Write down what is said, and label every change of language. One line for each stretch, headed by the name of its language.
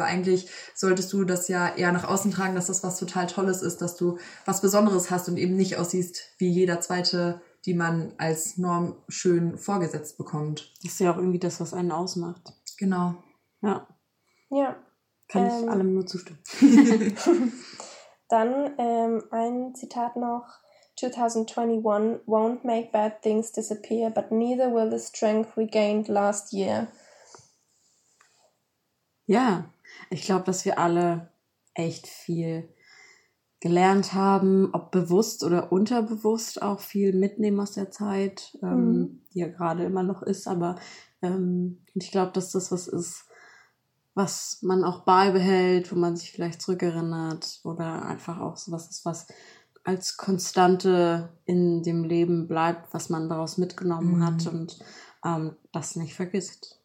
German: Aber eigentlich solltest du das ja eher nach außen tragen, dass das was total Tolles ist, dass du was Besonderes hast und eben nicht aussiehst wie jeder Zweite, die man als Norm schön vorgesetzt bekommt. Das ist ja auch irgendwie das, was einen ausmacht. Genau. Ja. Ja. Kann ich allem nur zustimmen. Dann ein Zitat noch.
English: 2021 won't make bad things disappear, but neither will the strength we gained last year.
German: Ja, ich glaube, dass wir alle echt viel gelernt haben, ob bewusst oder unterbewusst auch viel mitnehmen aus der Zeit, die ja gerade immer noch ist. Aber ich glaube, dass das was ist, was man auch beibehält, wo man sich vielleicht zurückerinnert oder einfach auch sowas ist, was als Konstante in dem Leben bleibt, was man daraus mitgenommen hat und das nicht vergisst.